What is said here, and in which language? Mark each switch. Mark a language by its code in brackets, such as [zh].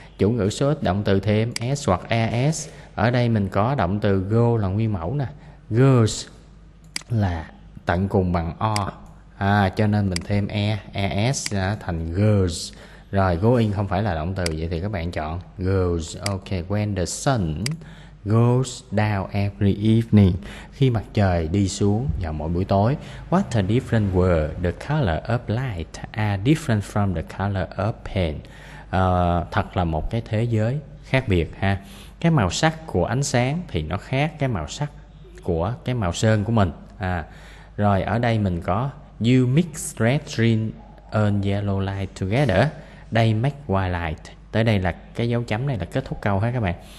[vi] Chủ ngữ số ít động từ thêm s hoặc as. Ở đây mình có động từ go là nguyên mẫu nè. Goes là tận cùng bằng o. Cho nên mình thêm as thành goes. Rồi going không phải là động từ, vậy thì các bạn chọn goes. [en] Ok, when the sun goes down every evening. [vi] Khi mặt trời đi xuống vào mỗi buổi tối. [en] What a different world. The color of light are different from the color of pain. [vi] Thật là một cái thế giới khác biệt ha. Cái màu sắc của ánh sáng thì nó khác cái màu sắc của cái màu sơn của mình. Rồi ở đây mình có [en] you mix red, green and yellow light together. They make white light. [vi] Tới đây là cái dấu chấm này là kết thúc câu ha các bạn.